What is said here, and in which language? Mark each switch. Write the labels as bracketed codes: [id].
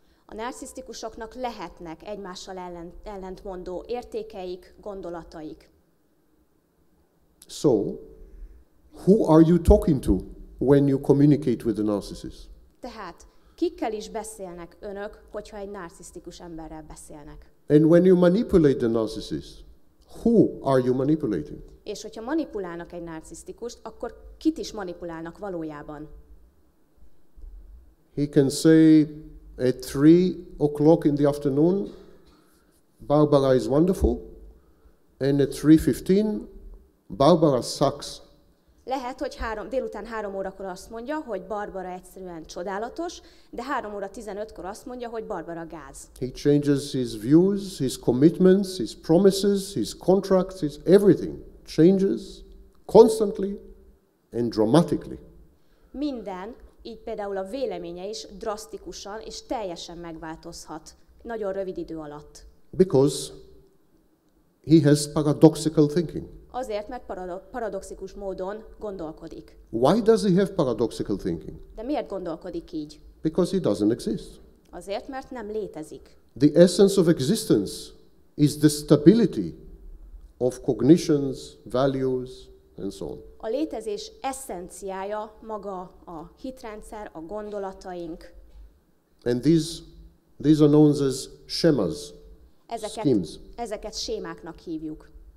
[hu] A narcisztikusoknak lehetnek egymással ellentmondó értékeik, gondolataik. [en] So, who are you talking to when you communicate with a narcissist? [hu] Tehát, kikkel is beszélnek önök, hogyha egy narcisztikus emberrel beszélnek? [en] And when you manipulate the narcissist, who are you manipulating? [hu] És hogyha manipulálnak egy narcisztikust, akkor kit is manipulálnak valójában? [en] He can say, at 3 o'clock in the afternoon, Barbara is wonderful, and at 3:15, Barbara sucks. [hu] Lehet, hogy délután 3 órakor azt mondja, hogy Barbara egyszerűen csodálatos, de 3:15-kor azt mondja, hogy Barbara gáz. [en] He changes his views, his commitments, his promises, his contracts, his everything changes constantly and dramatically. [hu] Minden, így például a véleménye is drasztikusan és teljesen megváltozhat nagyon rövid idő alatt. [en] Because he has paradoxical thinking. [hu] Azért, mert paradoxikus módon gondolkodik. [en] Why does he have paradoxical thinking? [hu] De miért gondolkodik így? [en] Because he doesn't exist. [hu] Azért, mert nem létezik. [en] The essence of existence is the stability of cognitions, values and so on. [hu] A létezés eszenciája maga a hitrendszer, a gondolataink. [en] And these are known as schemas. [hu] Ezeket sémáknak hívjuk.